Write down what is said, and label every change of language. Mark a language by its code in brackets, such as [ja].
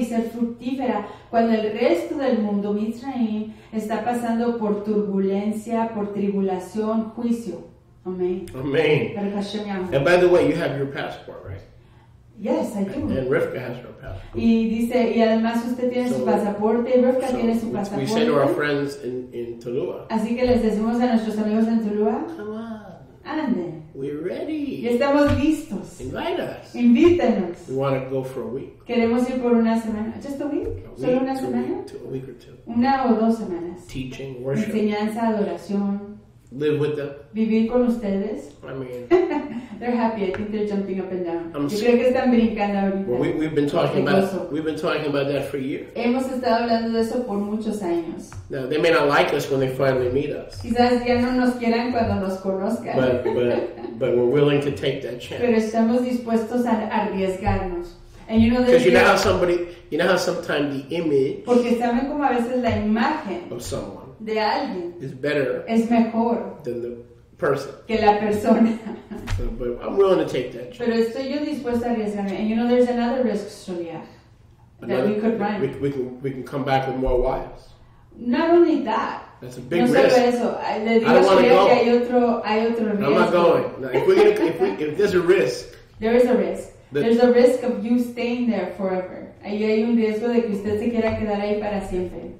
[es] y ser fructífera cuando el resto del mundo, Mitzrayim, está pasando por turbulencia, por tribulación, juicio. Amén. Amén. [en] And by the way, you have your passport, right? Yes, I do. And Rivka has her passport. [es] Y dice, y además usted tiene su pasaporte, y Rivka tiene su pasaporte. [en] We say to our friends in Tuluá. [es] Así que les decimos a nuestros amigos en Tuluá. [en] Come on. [es] Ande. [en] We're ready. [es] Y estamos listos. [en] Invite us. [es] Invítenos. [en] We want to go for a week. [es] Queremos ir por una semana. [en] Just a week? [es] Solo una semana? [en] A week or two. [es] Una o dos semanas. [en] Teaching, worship. [es] Enseñanza, adoración. [en] Live with them. [es] Vivir con ustedes. [en] I mean, they're happy. I think they're jumping up and down. [es] Creo que están brincando ahorita. [en] Well, we've been talking about that for years. [es] Hemos estado hablando de eso por muchos años. [en] Now, they may not like us when they finally meet us. [es] Quizás ya no nos quieran cuando nos conozcan. [en] But we're willing to take that chance. [es] Pero estamos dispuestos a arriesgarnos. [en] And you know, because you know how somebody, you know how sometimes the image. [es] Porque saben como a veces la imagen. [en] Of someone. [es] De alguien [en] is better, [es] es mejor [en] than the person, [es] que la persona. [en] But I'm willing to take that chance. [es] Pero estoy yo dispuesta a arriesgarme. [en] And you know, there's another risk, Shuliah, that we could run. We can come back with more wives. Not only that. That's a big risk. [es] No solo eso. Le digo, Shuliah, que hay otro riesgo. [en] I'm not going. Now, if there's a risk. There is a risk. There's a risk of you staying there forever. [es] Ahí hay un riesgo de que usted se quiera quedar ahí para siempre.